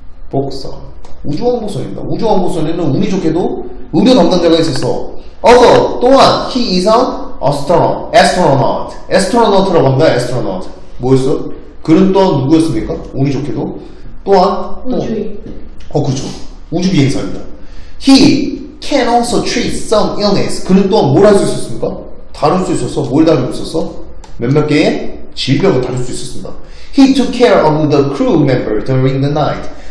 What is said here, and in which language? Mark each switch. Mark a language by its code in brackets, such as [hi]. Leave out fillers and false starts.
[ko] 복선. 우주왕복선입니다. 우주왕복선에는 운이 좋게도 의료 담당자가 있어서. 어서, 또한, [en] he is an astronaut. [ko] astronaut라고 합니다, astronaut. 뭐였어? 그는 또한 누구였습니까? 운이 좋게도. 또한, 우주. 그죠. 우주비행사입니다. [en] he can also treat some illness. [ko] 그는 또한 뭘 할 수 있었습니까? 다룰 수 있었어? 뭘 다룰 수 있었어? 몇몇 개의 질병을 다룰 수 있었습니다. [en] He took care of the crew member during the night.